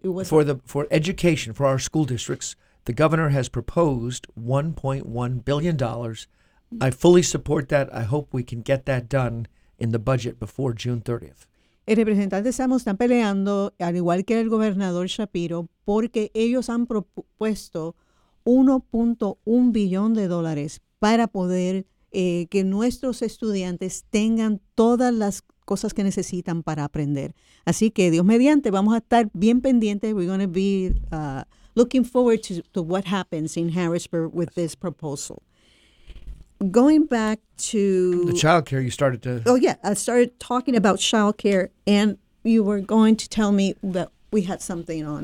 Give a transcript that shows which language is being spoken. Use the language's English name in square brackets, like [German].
[English] it was for education for our school districts. The governor has proposed $1.1 billion. I fully support that. I hope we can get that done in the budget before June 30th. [Spanish] El representante Samuel está peleando, al igual que el gobernador Shapiro, porque ellos han propuesto $1.1 billion para poder que nuestros estudiantes tengan todas las cosas que necesitan para aprender. Así que, Dios mediante, vamos a estar bien pendientes. [English] We're going to be looking forward to what happens in Harrisburg with this proposal. Going back to the child care, you started to... Oh, yeah. I started talking about child care, and you were going to tell me that we had something on.